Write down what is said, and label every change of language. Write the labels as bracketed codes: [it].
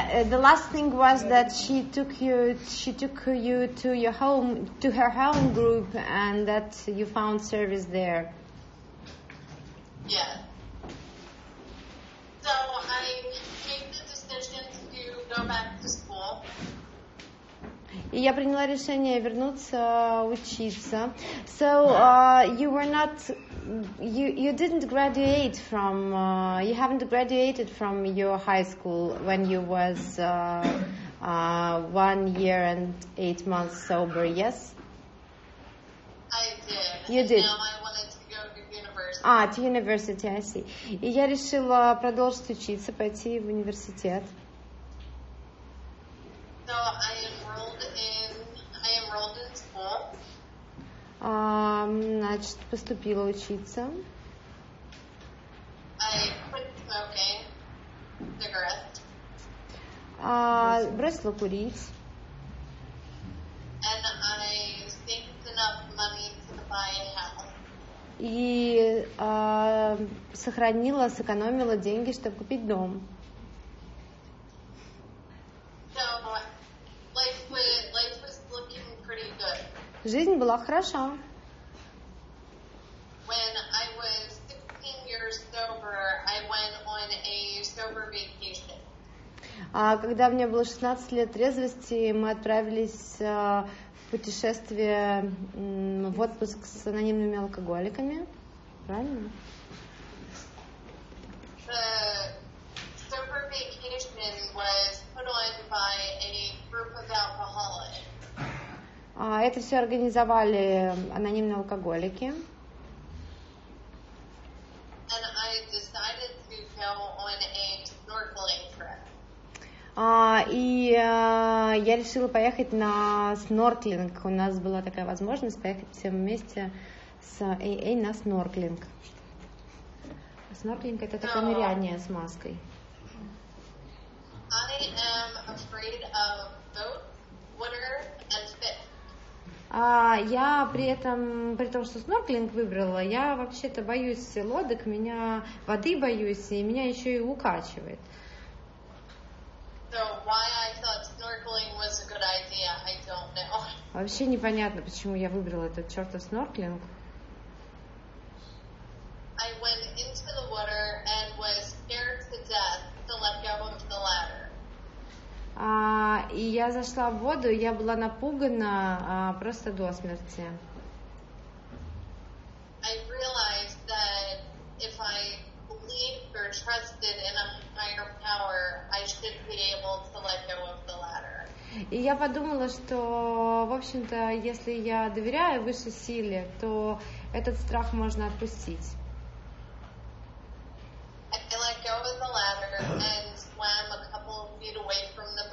[en] The last thing was that she took you to your home, to her home group, and that you found service there. Yeah. So I made the decision to go back to school. [ru] И я приняла решение вернуться учиться. [en] So you haven't graduated from your high school when you was 1 year and 8 months sober, yes? I did. You did. Now I wanted to go to university. Ah, to university, I see. [ru] И я решила продолжить учиться, пойти в университет. [en] So I enrolled in school. [ru] Значит, поступила учиться. [en] I quit smoking cigarette. [ru] Бросила курить. [en] And I saved enough money to buy a house. [ru] И сэкономила деньги, чтобы купить дом. [en] So life was looking pretty good. [ru] Жизнь была хороша. [en] When I was 16 years sober, I went on a sober vacation. [ru] Когда мне было 16 лет трезвости, мы отправились в путешествие в отпуск с анонимными алкоголиками. Правильно? [en] The sober vacation was put on by a group of alcoholics. [ru] Это все организовали анонимные алкоголики. [en] And I decided to go on a snorkeling trip. [ru] Я решила поехать на снорклинг. У нас была такая возможность поехать всем вместе с AA на снорклинг. Снорклинг — это такое ныряние с маской. [en] I am afraid of boat, water and fish. [ru] При том, что снорклинг выбрала, я вообще-то боюсь лодок, меня воды боюсь, и меня еще и укачивает. [en] So why I thought snorkeling was a good idea, I don't know. [ru] Вообще непонятно, почему я выбрала этот чертов снорклинг. [en] I went into the water and was scared to death to let go of the ladder. [ru] И я зашла в воду, я была напугана просто до смерти. [en] I realized that if I believed or trusted in a higher power, I should be able to let go of the ladder. [ru] И я подумала, что, в общем-то, если я доверяю высшей силе, то этот страх можно отпустить. [en] I let go of the ladder and swam a couple of feet away from.